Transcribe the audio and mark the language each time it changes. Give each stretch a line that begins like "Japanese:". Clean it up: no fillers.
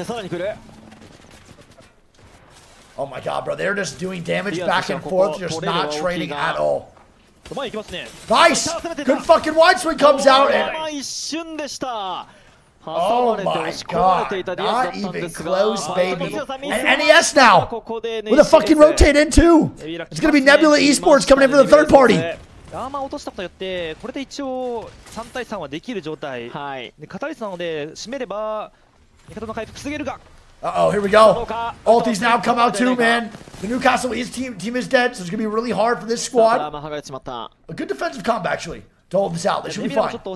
English: crazy.
Japanese: そうですね。今ちょっとプロテクトシールドとともに物資のね受け渡しやってる瞬間にワンライン押し込まれてさらに来る。Oh
English: my god, bro. They're just doing damage back and forth, just not trading at all. Nice. Good fucking wide swing comes out. Oh my god, not even close, baby. And NES now! With a fucking rotate in too! It's gonna be Nebula Esports coming in for the third party!
Japanese: はい。で、カタリスなので、締めれば、味方の回復防げるが。
English: Uh-oh, here we go. Ulti's now come out too, man. The Newcastle is team is dead, so it's gonna be really hard for this squad. A good defensive comp, actually, to hold this out. They should be fine.